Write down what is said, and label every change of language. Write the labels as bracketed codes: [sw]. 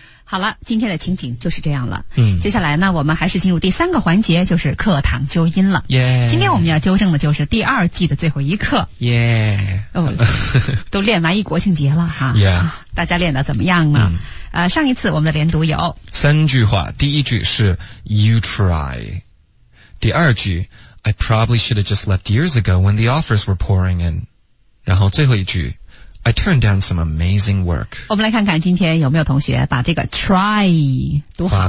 [zh] 好了，今天的情景就是这样了。嗯，接下来呢，我们还是进入第三个环节，就是课堂纠音了。耶！今天我们要纠正的就是第二季的最后一课。耶！哦，都练完一国庆节了哈。耶、yeah. 啊！大家练得怎么样呢、嗯？上一次我们的连读有三句话，第一句是 [en] You try， [zh] 第二句 [en] I probably should have just left years ago when the offers were pouring in， [zh] 然后最后一句。 [en] I turned down some amazing work. [zh] 我们来看看今天有没有同学把这个 try 读好。